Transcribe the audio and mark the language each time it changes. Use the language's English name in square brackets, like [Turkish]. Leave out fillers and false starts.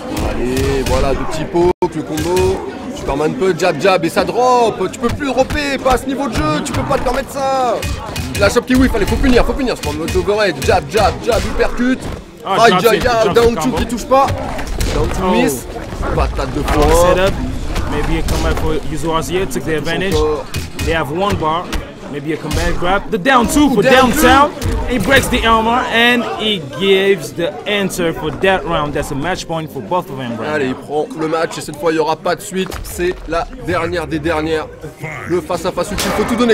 [French] Allez, voilà, deux petits pokes, le combo. Superman peut jab jab et ça drop. Tu peux plus dropper, pas à ce niveau de jeu, tu peux pas te permettre ça. La chop qui whiff, allez, faut punir, faut punir. Je prends le overhead, jab jab jab, il percute. Aïe aïe aïe, down two qui touche pas. Down two miss. Patate de poing. [English] Maybe a comeback for Yuzuazia, took the advantage. They have one bar. Maybe a comeback grab. The down two for downtown. He breaks the armor and he gives the answer for that round. That's a match point for both of them. [French] Allez, il prend le match et cette fois il n'y aura pas de suite. C'est la dernière des dernières. Le face à face, il faut tout donner.